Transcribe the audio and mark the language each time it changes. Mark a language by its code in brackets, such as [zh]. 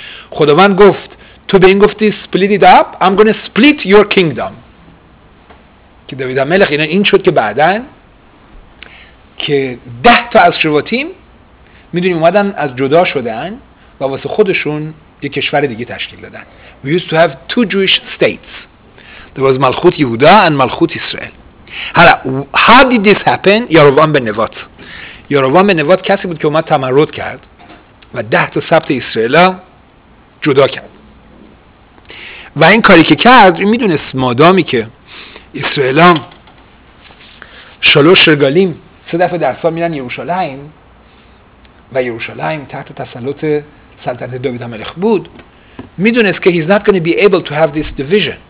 [fa] خداوند گفت تو به این گفتی [en] Split it up, I'm gonna split your kingdom. [fa] که داوید هملخ اینا، این شد که بعدن که 10 تا از شرواتیم میدونین اومدن از جدا شدن و واسه خودشون یک کشور دیگه تشکیل دادن. [en] We used to have two Jewish states. There was ملخوت یهودا and ملخوت اسرائیل. حالا how did this happen؟ یاروام بن نوات. [fa] یاروام بن نوات کسی بود که اومد تمرد کرد و 10 تا سبط اسرائیل جدا کرد. و این کاری که کرد، میدونست مادامی که اسرائیل شلوش رگالیم 3 دفعه در سال میرن یروشلایم و یروشلایم تحت تسلط سلطنت داوید هملخ بود، میدونست که [en] he's not going to be able to have this division.